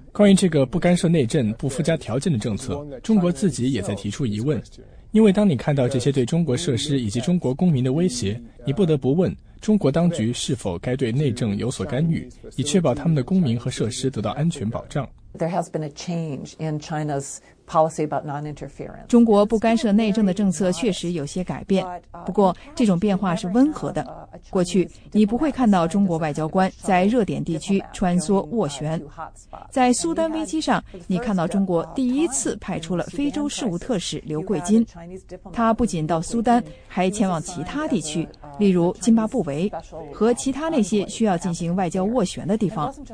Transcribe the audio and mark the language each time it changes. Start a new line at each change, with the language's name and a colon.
Chinese: 关于这个不干涉内政、不附加条件的政策，中国自己也在提出疑问。因为当你看到这些对中国设施以及中国公民的威胁，你不得不问中国当局是否该对内政有所干预，以确保他们的公民和设施得到安全保障。
English: There has been a change in China's policy about non-interference.
Chinese: 中国不干涉内政的政策确实有些改变，不过这种变化是温和的。过去你不会看到中国外交官在热点地区穿梭斡旋。在苏丹危机上，你看到中国第一次派出了非洲事务特使刘桂金，他不仅到苏丹，还前往其他地区，例如津巴布韦和其他那些需要进行外交斡旋的地方。